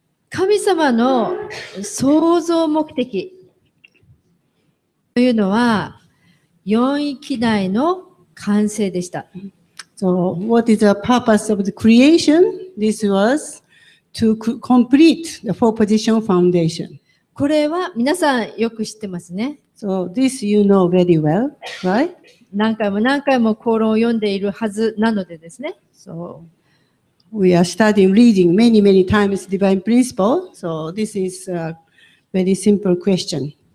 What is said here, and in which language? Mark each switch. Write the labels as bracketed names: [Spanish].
[Japanese] 神様の創造目的というのは四域内の完成でした。 [English] So, what is the purpose of the creation? This was to complete the four position foundation. [Japanese] これは皆さんよく知ってますね。 [English] So, this you know very well, right? [Japanese] 何回も何回も講論を読んでいるはずなのでですね。 [English] So, we are studying reading many, many times divine principle. So this is a very simple question.